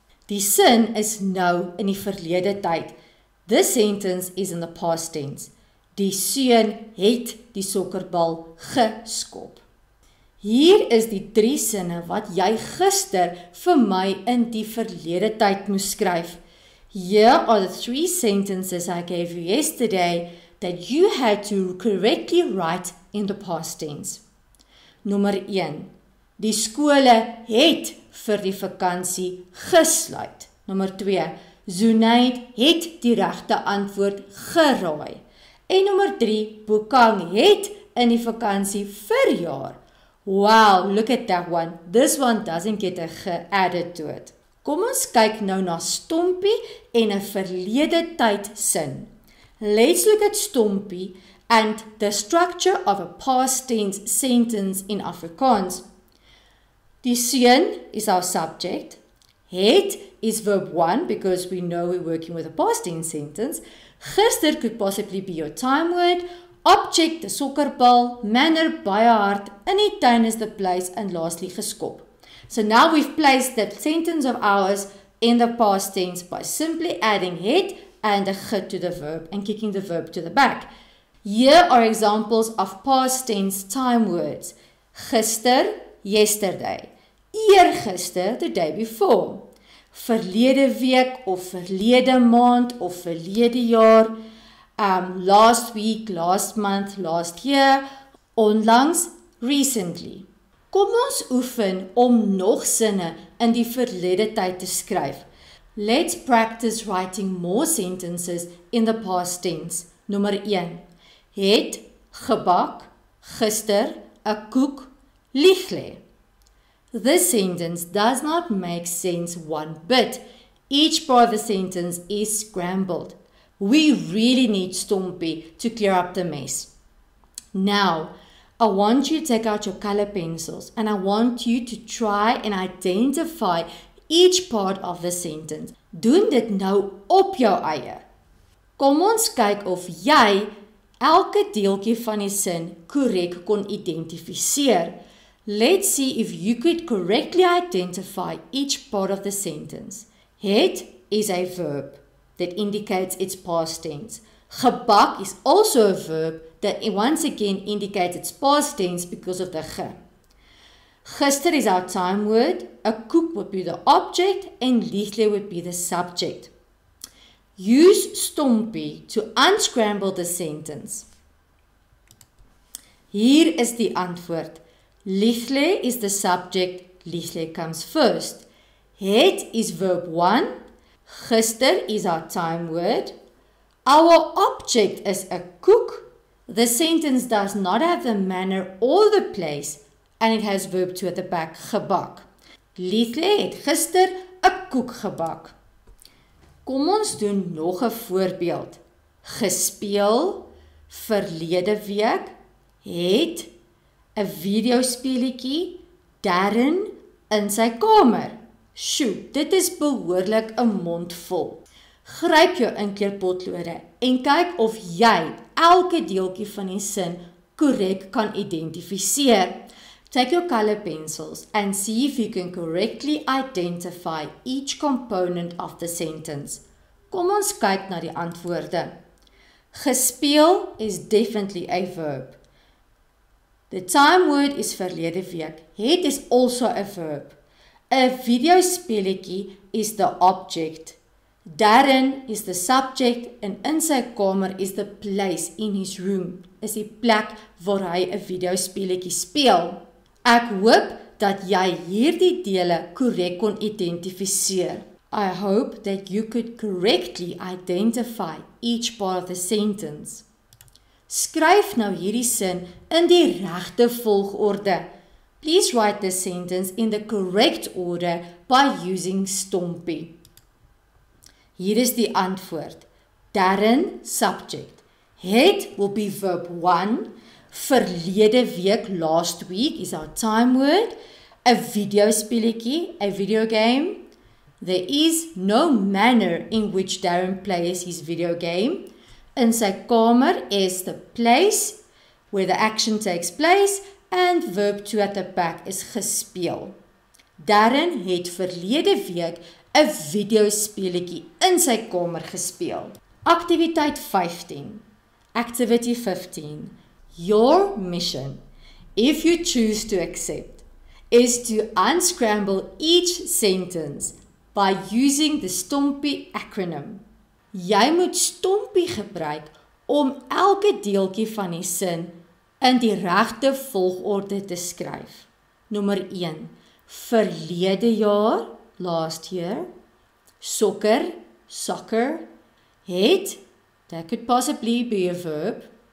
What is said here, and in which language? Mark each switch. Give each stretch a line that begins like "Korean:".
Afrikaans: Die seun is nou in die verlede tyd.
English: This sentence is in the past tense.
Afrikaans: Die seun het die sokkerbal geskop. Hier is die drie sinne wat jy gister vir my in die verlede tyd moes skryf.
English: Here are the three sentences I gave you yesterday that you had to correctly write in the past tense.
Afrikaans: Nommer 1. Die skole het vir die vakansie gesluit. Nommer 2. Zunaid het die regte antwoord geraai. En nummer 3, Bukang het in die vakansie vir jaar.
English: Wow, look at that one. This one doesn't get a ge-added to it.
Afrikaans: Kom ons kyk nou na Stompie en 'n verlede tyd sin.
English: Let's look at Stompie and the structure of a past tense sentence in Afrikaans.
Afrikaans: Die seun
English: is our subject. Het is verb 1 because we know we're working with a past tense sentence. Gister could possibly be your time word. Object, the sokkerbal. Manner,
Afrikaans: baie hard. In die tuin
English: is the place. And lastly, geskop. So now we've placed that sentence of ours in the past tense by simply adding het and a ge to the verb and kicking the verb to the back. Here are examples of past tense time words. Gister, yesterday. Eergister, the day before.
Afrikaans: Verlede week of verlede maand of verlede jaar.
English: Last week, last month, last year. Onlangs, recently.
Afrikaans: Kom ons oefen om nog sinne in die verlede tyd te skryf.
English: Let's practice writing more sentences in the past tense.
Afrikaans: Nummer 1. Het gebak gister 'n koek lieg lê.
English: This sentence does not make sense one bit. Each part of the sentence is scrambled. We really need Stompy to clear up the mess. Now, I want you to take out your color pencils and I want you to try and identify each part of the sentence.
Afrikaans: Doen dit nou op jou eie. Kom ons kyk of jy elke deeltjie van die sin korrek kon identifiseer.
English: Let's see if you could correctly identify each part of the sentence. Het is a verb that indicates its past tense. Gebak is also a verb that once again indicates its past tense because of the ge. Gister is our time word. A koek would be the object and liegle would be the subject. Use Stompy to unscramble the sentence.
Afrikaans: Hier is die antwoord.
English: Liegle is the subject. Liegle comes first. Het is verb 1. Gister is our time word. Our object is a koek. The sentence does not have the manner or the place and it has verb 2 at the back, gebak.
Afrikaans: Liegle het gister 'n koek gebak. Kom ons doen nog 'n voorbeeld. Gespeel, verlede week, het, 'n videospeletjie, Darren in sy kamer. Sjoe, dit is behoorlik 'n mond vol. Gryp jou inkleerpotlode en kyk of jy elke deeltjie van die sin korrek kan identifiseer.
English: Take your color pencils and see if you can correctly identify each component of the sentence.
Afrikaans: Kom ons kyk na die antwoorde.
English: Gespeel is definitely a verb. The time word is verlede week. Het is also a verb. 'N videospeletjie is the object. Darren is the subject and
Afrikaans: in sy kamer
English: is the place in his room.
Afrikaans: Is die plek waar hy 'n videospeletjie speel. Ek hoop dat jy hierdie dele korrek kon identifiseer.
English: I hope that you could correctly identify each part of the sentence.
Afrikaans: Skryf nou hierdie sin in die regte volgorde.
English: Please write the sentence in the correct order by using Stompy.
Afrikaans: Hier is die antwoord. Darren, subject.
English: Het will be verb 1.
Afrikaans: Verlede week,
English: last week, is our time word. 'N videospeletjie, a video game. There is no manner in which Darren plays his video game. In sy kamer is the place where the action takes place. And verb 2 at the back is gespeel.
Afrikaans: Darren het verlede week 'n videospeletjie in sy kamer gespeel. Aktiwiteit 15. Activity 15.
English: Your mission, if you choose to accept, is to unscramble each sentence by using the Stompy acronym.
Afrikaans: Jy moet Stompy gebruik om elke deeltjie van die sin in die regte volgorde te skryf. Nommer 1. Verlede jaar,
English: last year. Sokker, soccer. Het, that could possibly be a verb.